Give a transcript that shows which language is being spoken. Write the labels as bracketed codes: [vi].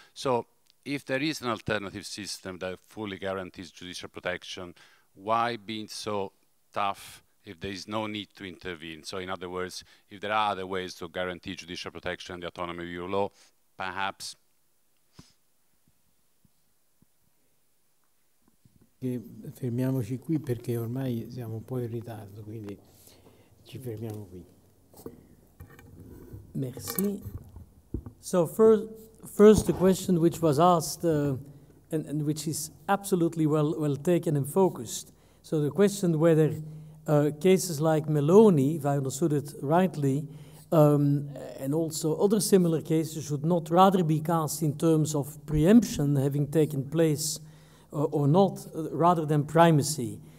[en] So if there is an alternative system that fully guarantees judicial protection, why being so tough if there is no need to intervene? So in other words, if there are other ways to guarantee judicial protection and the autonomy of your law, perhaps. [it] Fermiamoci qui perché ormai siamo un po' in ritardo, quindi ci fermiamo qui. [fr] Merci. [en] So first the question which was asked and which is absolutely well taken and focused. So the question whether cases like Meloni, if I understood it rightly, and also other similar cases should not rather be cast in terms of preemption having taken place or not, rather than primacy.